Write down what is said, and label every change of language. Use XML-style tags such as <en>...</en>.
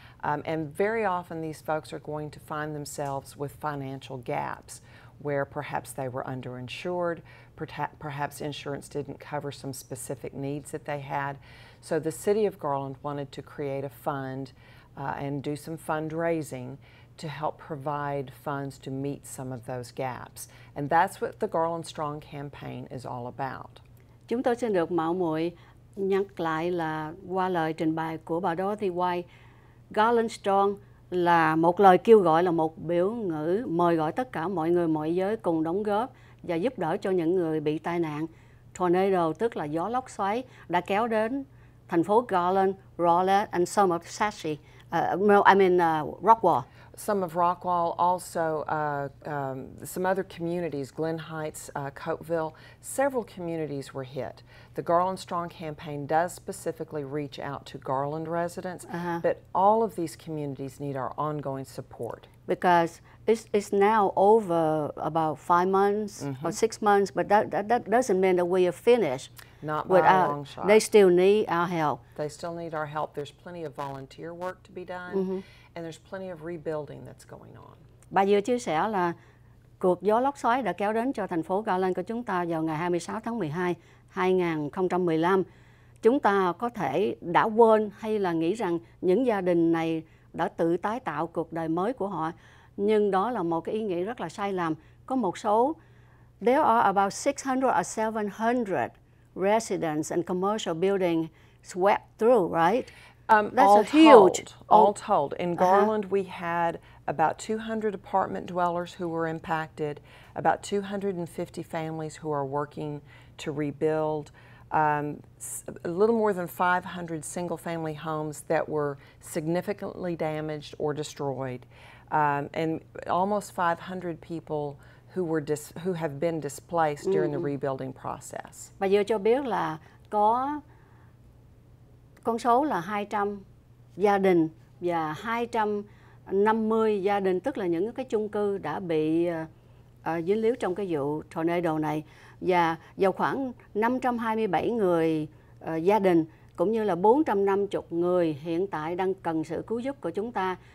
<en>And very often these folks are going to find themselves with financial gaps, where perhaps they were underinsured, perhaps insurance didn't cover some specific needs that they had. So the City of Garland wanted to create a fund and do some fundraising to help provide funds to meet some of those gaps. And that's what the Garland Strong campaign is all about.</en> <vi>Chúng tôi xin được mạo muội nhắc lại là qua lời trình bày của bà Dorothy White, Garland Strong là một lời kêu gọi, là một biểu ngữ mời gọi tất cả mọi người mọi giới cùng đóng góp và giúp đỡ cho những người bị tai nạn tornado, tức là gió lốc xoáy đã kéo đến thành phố Garland, Rowlett</vi> <en>and some of</en> <vi>Sashi, Rockwall.</vi> <en>Some of Rockwall, also some other communities, Glen Heights, Coatville, several communities were hit. The Garland Strong campaign does specifically reach out to Garland residents, but all of these communities need our ongoing support. Because it's now over about 5 months or 6 months, but that doesn't mean that we are finished. Not by a long shot. They still need our help. They still need our help. There's plenty of volunteer work to be done. And there's plenty of rebuilding that's going on.</en> <vi>Bà vừa chia sẻ là cuộc gió lốc xoáy đã kéo đến cho thành phố Garland của chúng ta vào ngày 26 tháng 12, 2015. Chúng ta có thể đã quên hay là nghĩ rằng những gia đình này đã tự tái tạo cuộc đời mới của họ. Nhưng đó là một cái ý nghĩ rất là sai lầm. Có một số,</vi> <en>there are about 600 or 700 residents and commercial buildings swept through, right? All told, in Garland, we had about 200 apartment dwellers who were impacted, about 250 families who are working to rebuild, a little more than 500 single-family homes that were significantly damaged or destroyed, and almost 500 people who have been displaced during the rebuilding process.</en> <vi>Bà vừa cho biết là có con số là 200 gia đình và 250 gia đình, tức là những cái chung cư đã bị dính líu trong cái vụ tornado này, và vào khoảng 527 người gia đình cũng như là 450 người hiện tại đang cần sự cứu giúp của chúng ta.</vi>